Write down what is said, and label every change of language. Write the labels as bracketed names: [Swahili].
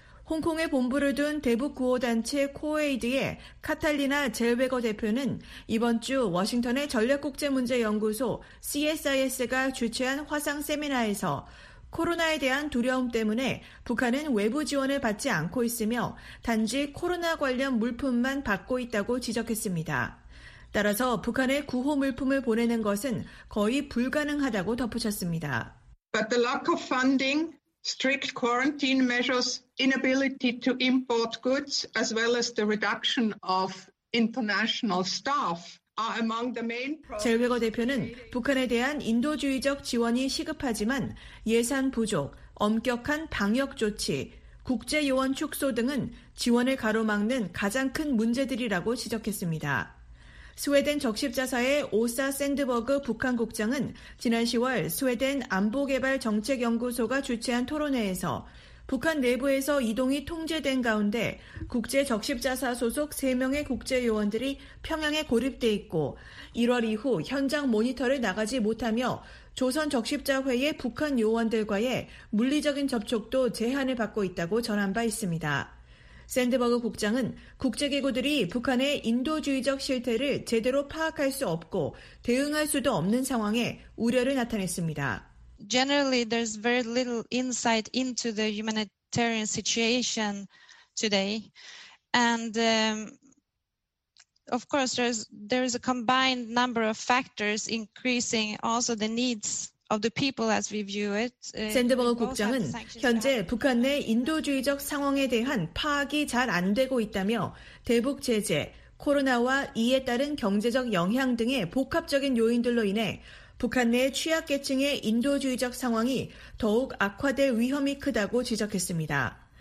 [Korean] 홍콩에 본부를 둔 대북구호단체 코에이드의 카탈리나 젤베거 대표는 이번 주 워싱턴의 전략국제문제연구소 CSIS가 주최한 화상 세미나에서 코로나에 대한 두려움 때문에 북한은 외부 지원을 받지 않고 있으며 단지 코로나 관련 물품만 받고 있다고 지적했습니다. 따라서 북한에 구호 물품을 보내는 것은 거의 불가능하다고 덧붙였습니다. [English] But the lack of funding, strict quarantine measures, inability to import goods, as well as the reduction of international staff. [Korean] 젤베거 대표는 북한에 대한 인도주의적 지원이 시급하지만 예산 부족, 엄격한 방역 조치, 국제 요원 축소 등은 지원을 가로막는 가장 큰 문제들이라고 지적했습니다. 스웨덴 적십자사의 오사 샌드버그 북한 국장은 지난 10월 스웨덴 안보개발정책연구소가 주최한 토론회에서 북한 내부에서 이동이 통제된 가운데 국제 적십자사 소속 3명의 국제 요원들이 평양에 고립돼 있고 1월 이후 현장 모니터를 나가지 못하며 조선 적십자회의 북한 요원들과의 물리적인 접촉도 제한을 받고 있다고 전한 바 있습니다. 샌드버그 국장은 국제기구들이 북한의 인도주의적 실태를 제대로 파악할 수 없고 대응할 수도 없는 상황에 우려를 나타냈습니다. [English] Generally, there's very little insight into the humanitarian situation today. And of course, there's a combined number of factors increasing also the needs of the people as we view it. [Korean] 샌드버그 국장은 현재 북한 내 인도주의적 상황에 대한 파악이 잘 안 되고 있다며 대북 제재, 코로나와 이에 따른 경제적 영향 등의 복합적인 요인들로 인해 북한 내 취약계층의 인도주의적 상황이 더욱 악화될 위험이 크다고 지적했습니다.